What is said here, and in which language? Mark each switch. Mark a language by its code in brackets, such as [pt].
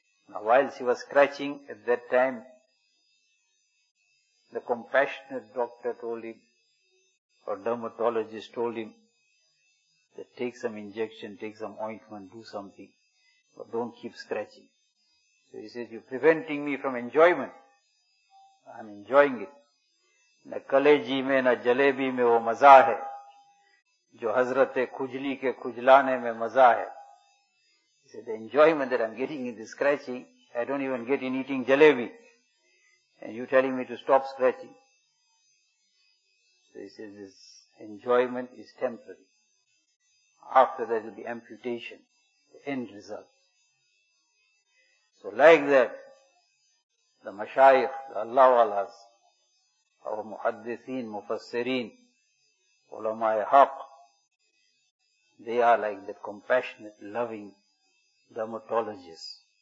[en] Now whilst he was scratching, at that time, the compassionate doctor told him, or dermatologist told him, that take some injection, take some ointment, do something, but don't keep scratching. So he says, you're preventing me from enjoyment. I'm enjoying it. [ur] نہ کلیجی میں نہ جلیبی میں وہ مزہ ہے جو حضرت کھجلی کے کھجلانے میں مزہ ہے. [en] He said, the enjoyment that I'm getting in this scratching, I don't even get in eating jalebi. And you're telling me to stop scratching. So he says, this enjoyment is temporary. After that will be amputation, the end result. So like that, the mashayikh, the Allah walas, our muhaddithin, mufassireen, ulama-i haq, they are like the compassionate, loving dermatologists.